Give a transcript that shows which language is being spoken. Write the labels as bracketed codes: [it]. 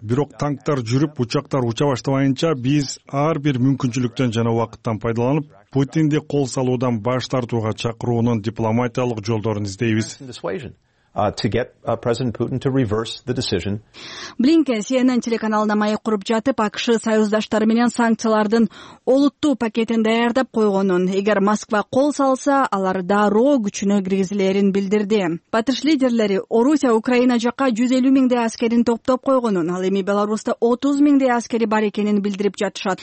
[ky] Бирок танктар жүрүп, учактар уча баштабайынча биз ар бир мүмкүнчүлүктөн жана убакыттан пайдаланып, Путинди кол салуудан баш тартууга чакыруунун дипломатиялык жолдорун издейбиз. [en] To get President Putin to reverse the decision. [ky] Блинкен CNN телеканалына маек куруп жатып, АКШ союздаштары менен санкциялардын олуттуу пакетин даярдап койгонун, эгер Москва кол салса, алар дароо күчүнө киргизилерин билдирди. Батыш лидерлери Орусия Украина жака 150 миңдей аскерин топтоп койгонун, ал эми Беларусьта 30 миңдей аскери бар экенин билдирип жатышат.